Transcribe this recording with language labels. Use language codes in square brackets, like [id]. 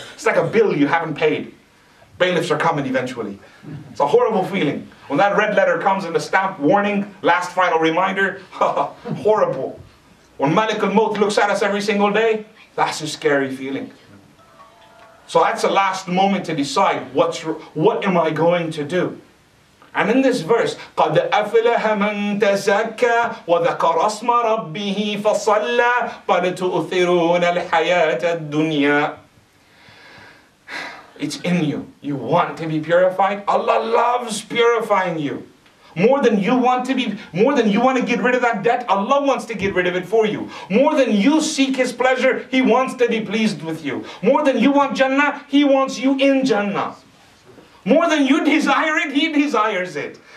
[en] It's like a bill you haven't paid. Bailiffs are coming eventually. It's a horrible feeling. When that red letter comes in the stamp, warning, last final reminder, horrible. When Malik al-Mawt looks at us every single day, that's a scary feeling. So that's the last moment to decide, what am I going to do? And in this verse, [ar] قَدْ أَفْلَهَ مَنْ تَزَكَّى وَذَكَرَ اسْمَ رَبِّهِ فَصَلَّى بَلْ تُؤْثِرُونَ الْحَيَاةَ الدُّنْيَا. [en] It's in you. You want to be purified? Allah loves purifying you. More than you want to get rid of that debt, Allah wants to get rid of it for you. More than you seek His pleasure, He wants to be pleased with you. More than you want Jannah, He wants you in Jannah. More than you desire it, He desires it.